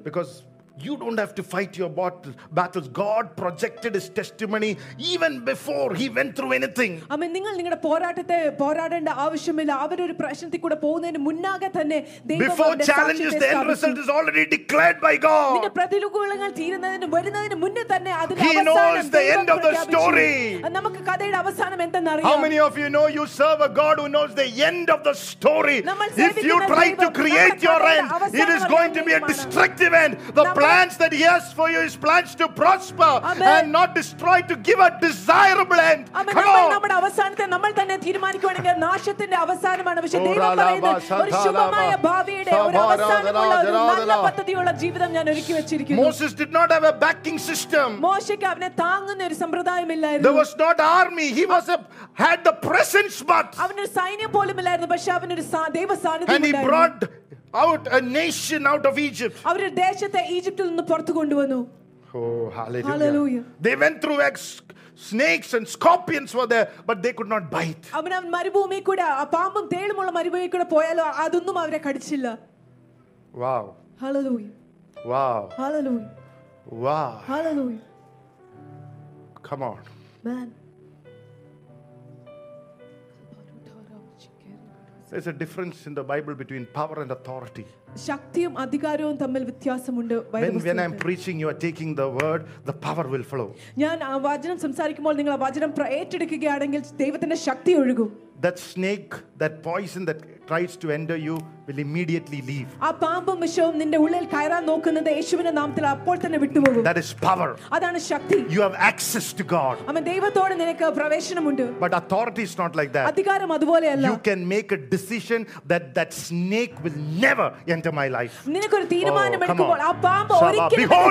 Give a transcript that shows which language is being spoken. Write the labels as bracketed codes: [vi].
[en] Because you don't have to fight your battles. God projected his testimony even before he went through anything. [ml] അമ്മേ, നിങ്ങൾ നിങ്ങളുടെ പോരാട്ടത്തെ പോരാടേണ്ട ആവശ്യമില്ല. അവരൊരു പ്രശ്നത്തിൽ കൂടെ പോകുന്നതിന് മുന്നാകെ തന്നെ ദൈവം [en] Before challenges, the end result is already declared by God. [ml] നിങ്ങൾ പ്രതിലുകുകളങ്ങൾ തീരുന്നതിന് വരുന്നതിന് മുന്നേ തന്നെ അതിന് [en] അവസാനം. He knows the end of the story. [ml] നമുക്ക് കഥയുടെ അവസാനം എന്തെന്നറിയാം. [en] How many of you know you serve a God who knows the end of the story? If you try to create your end, it is going to be a destructive end. The plans that he has for you is plans to prosper. Amen. And not destroy, to give a desirable end. [ml] നമ്മുടെ അവസാനത്തെ നമ്മൾ തന്നെ തീരുമാനിക്കുകയാണെങ്കിൽ നാശത്തിന്റെ അവസാനമാണ്. പക്ഷേ ദൈവം പറയുന്നത് ഒരു ശുഭമായ ഭാവിയുടെ ഒരു അവസാനമുള്ള നല്ല പദ്ധതിയുള്ള ജീവിതം ഞാൻ ഒരുക്കി വെച്ചിരിക്കുന്നു. [en] Moses did not have a backing system. [ml] മോശയ്ക്ക് അവനെ താങ്ങുന്ന ഒരു സമ്പ്രദായം ഇല്ലായിരുന്നു. [en] There was not army. He was had the presence, but [ml] അവനൊരു സൈന്യം പോലും ഇല്ലായിരുന്നു. പക്ഷേ അവനൊരു ദൈവസാന്നിധ്യം ഉണ്ടായിരുന്നു. [en] And he brought out a nation out of Egypt. [ml] അവര് ദേശത്തെ ഈജിപ്തിൽ നിന്ന് പുറത്തു കൊണ്ടുവന്നു. [en] Oh, hallelujah. They went through snakes and scorpions were there, but they could not bite. [ml] അവര് മരുഭൂമി കൂടെ ആ പാമ്പും തേളുമുള്ള മരുഭൂമി കൂടെ പോയാലോ അതൊന്നും അവരെ കടിച്ചില്ല. [en] Wow. Hallelujah. Wow. Hallelujah. Wow. Hallelujah. Come on. Man. There's a difference in the Bible between power and authority. [ml] ശക്തിയും അധികാരവും തമ്മിൽ വ്യത്യാസമുണ്ട്. [en] When I'm preaching, you are taking the word, the power will flow. [ml] ഞാൻ ആ വചനം സംസാരിക്കുമ്പോൾ നിങ്ങൾ ആ വചനം ഏറ്റെടുക്കുകയാണെങ്കിൽ ദൈവത്തിന്റെ ശക്തി ഒഴുകും. [en] That snake, that poison that tries to enter you will immediately leave. [ml] ആ പാമ്പും വിഷവും നിന്റെ ഉള്ളിൽ കയറാൻ നോക്കുന്നത് യേശുവിന്റെ നാമത്തിൽ അപ്പോൾ തന്നെ വിട്ടുപോകും. [en] That is power. [ml] അതാണ് ശക്തി. [en] You have access to God. [ml] അമേ, ദൈവത്തോട് നിനക്ക് പ്രവേശനമുണ്ട്. [en] But authority is not like that. [ml] അധികാരം അതുപോലെയല്ല. [en] You can make a decision that snake will never enter my life. [ml] നിനക്ക് ഒരു തീരുമാനം എടുക്കുമ്പോൾ ആ പാമ്പ് ഒരിക്കലും